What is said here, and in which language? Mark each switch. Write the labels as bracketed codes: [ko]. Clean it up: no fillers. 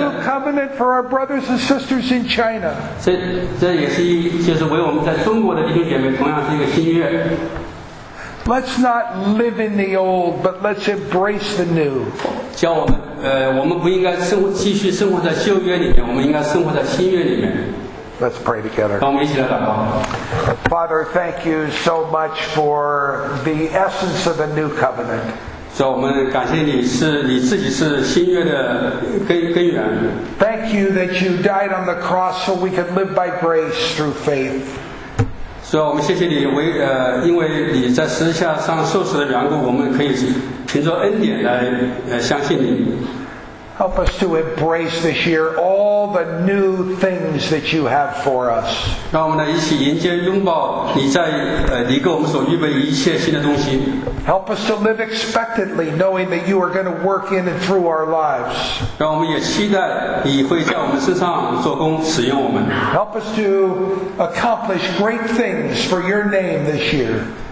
[en] It's the new covenant for our brothers and sisters in China. [zh] 这也是为我们在中国的弟兄姐妹，同样是一个新约。 [en] Let's not live in the old, but let's embrace the new. [zh] 叫我们，我们不应该继续生活在旧约里面，我们应该生活在新约里面。 [en] Let's pray together. [zh] 让我们一起来祷告。 [en] Father, thank you so much for the essence of the new covenant. [zh] 主，我们感谢你是你自己是新约的根源。 [en] Thank you that you died on the cross so we could live by grace through faith. [zh] 主，我们谢谢你因为你在十字架上受死的缘故，我们可以凭着恩典来相信你。 [en] Help us to embrace this year all the new things that you have for us. [zh] 让我们来一起迎接拥抱你给我们所预备一切新的东西。 [en] Help us to live expectantly, knowing that you are going to work in and through our lives. [zh] 让我们也期待你会在我们身上做工，使用我们。 [en] Help us to accomplish great things for your name this year.